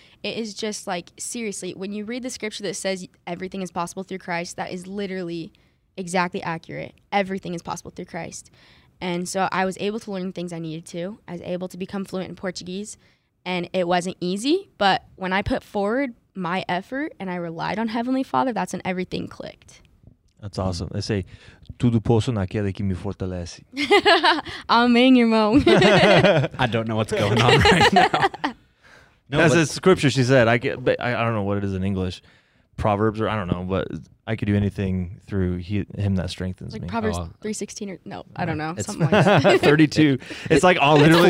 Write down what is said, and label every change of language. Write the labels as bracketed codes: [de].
[en] It is just like, seriously, when you read the scripture that says everything is possible through Christ, that is literally exactly accurate. Everything is possible through Christ. And so I was able to learn things I needed to. I was able to become fluent in Portuguese. And it wasn't easy, but when I put forward my effort and I relied on Heavenly Father, that's when everything clicked. That's awesome. They say, [pt] tudo posso naquele que me fortalece. Amém, irmão. [en] I don't know what's going on right now. No, that's a scripture she said. I don't know what it is in English. Proverbs, or I don't know, but I could do anything through him that strengthens like me. Proverbs 3:16, or no, I don't know. It's something like 32. It's like all literally